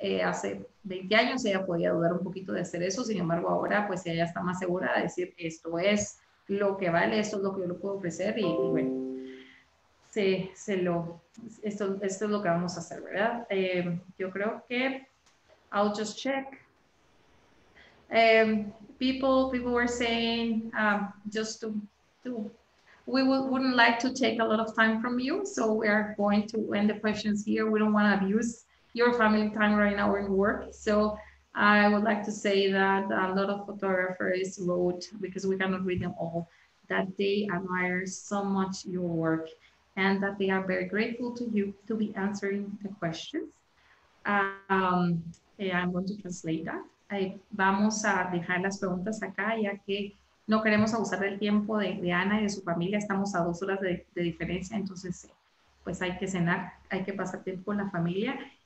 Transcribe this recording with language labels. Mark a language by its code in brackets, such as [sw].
[es] Hace 20 años ella podía dudar un poquito de hacer eso, sin embargo, ahora pues ella está más segura de decir, esto es lo que vale, esto es lo que yo le puedo ofrecer y bueno, esto es lo que vamos a hacer, ¿verdad? Yo creo que, [en] I'll just check. People were saying just we wouldn't like to take a lot of time from you, so we are going to end the questions here. We don't want to abuse your family time right now in work. So I would like to say that a lot of photographers wrote, because we cannot read them all, that they admire so much your work and that they are very grateful to you to be answering the questions. And I'm going to translate that. [es] Vamos a dejar las preguntas acá, ya que no queremos abusar del tiempo de Ana y de su familia. Estamos a 2 horas de diferencia, entonces pues hay que cenar, hay que pasar tiempo con la familia.